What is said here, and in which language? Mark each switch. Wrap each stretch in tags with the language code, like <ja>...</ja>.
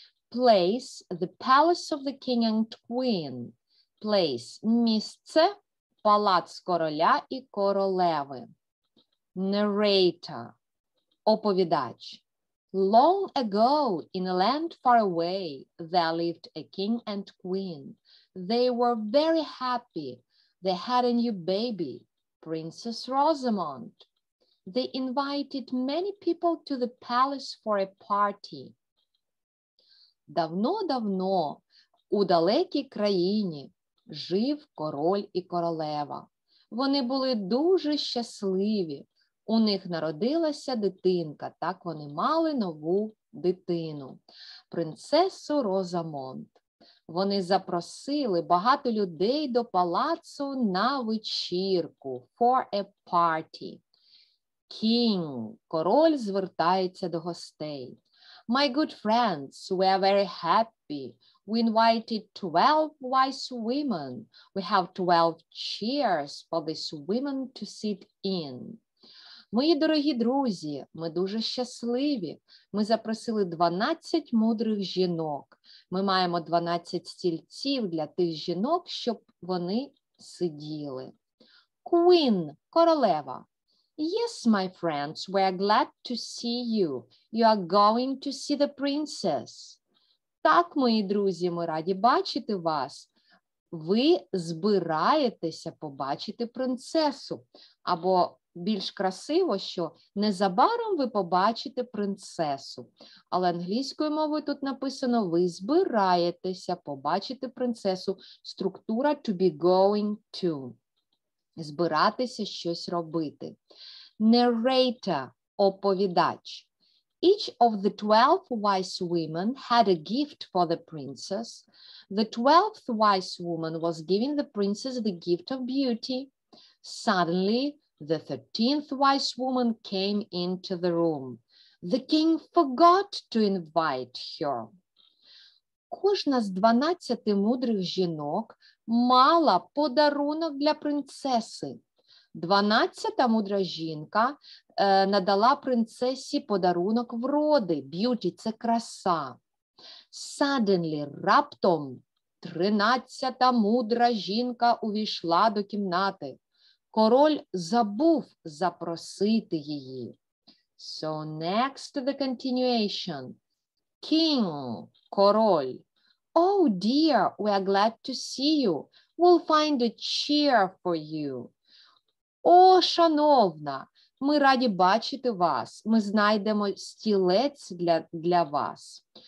<en>Place, the palace of the king and queen.</en> <uk>Place, місце, палац короля і королеви. Narrator, оповідач.</uk> <en>Long ago, in a land far away, there lived a king and queen. They were very happy. They had a new baby, Princess Rosamond. They invited many people to the palace for a party.</en> <uk>Давно-давно у далекій країні жив король і королева. Вони були дуже щасливі. У них народилася дитинка, так вони мали нову дитину, принцесу Розамонд. Вони запросили багато людей до палацу на вечірку,</uk> <en>for a party.</en> <uk>King, король, звертається до гостей.</uk> <en>My good friends, we are very happy. We invited 12 wise women. We have 12 chairs for these women to sit in.</en> <uk>Мої дорогі друзі, ми дуже щасливі. Ми запросили 12 мудрих жінок. Ми маємо 12 стільців для тих жінок, щоб вони сиділи. Queen, королева.</uk> <en>Yes, my friends, we are glad to see you. You are going to see the princess.</en> <uk>Так, мої друзі, ми раді бачити вас. Ви збираєтеся побачити принцесу. Або більш красиво, що незабаром ви побачите принцесу. Але англійською мовою тут написано, ви збираєтеся побачити принцесу. Структура</uk> <en>to be going to.</en> <uk>Збиратися щось робити. Narrator, оповідач.</uk> <en>Each of the 12 wise women had a gift for the princess. The 12th wise woman was giving the princess the gift of beauty. Suddenly, the 13th wise woman came into the room. The king forgot to invite her.</en> <uk>Кожна з 12 мудрих жінок мала подарунок для принцеси. 12-та мудра жінка надала принцесі подарунок вроди. Б'юті – це краса. Suddenly, раптом, 13-та мудра жінка увійшла до кімнати. Король забув запросити її.</uk> <en>So next to the continuation. King – король. Oh dear, we are glad to see you. We'll find a chair for you.</en> <uk>О, шановна, ми раді бачити вас. Ми знайдемо стілець для вас.</uk>